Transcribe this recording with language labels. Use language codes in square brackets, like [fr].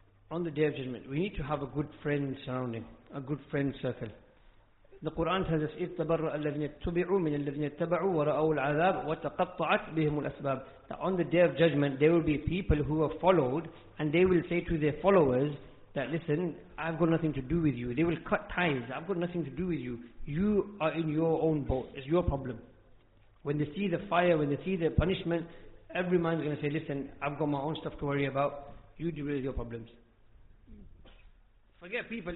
[en] On the Day of Judgment, we need to have a good friend surrounding, a good friend circle. The Quran tells us, [ar] إِذْ تَبَرَّأَ الَّذِينَ اتُّبِعُوا مِنَ الَّذِينَ اتَّبَعُوا وَرَأَوُوا الْعَذَابُ وَتَقَطَّعَتْ بِهِمُ الْأَسْبَابُ. [en] That on the Day of Judgment, there will be people who are followed, and they will say to their followers that, listen, I've got nothing to do with you. They will cut ties. I've got nothing to do with you. You are in your own boat. It's your problem. When they see the fire, when they see the punishment, every man is going to say, listen, I've got my own stuff to worry about. You deal with your problems. Forget people.